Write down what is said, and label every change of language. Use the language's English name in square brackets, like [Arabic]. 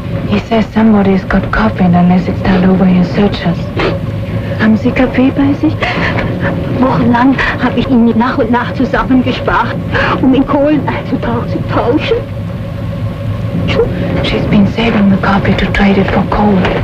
[English] He says somebody's got coffee and they sit down over his searchers. [German] Haben Sie Kaffee bei sich? Wochenlang habe ich ihn nach und nach zusammengespart, um in Kohlen einzutauschen. [English] She's been saving the coffee to trade it for coal.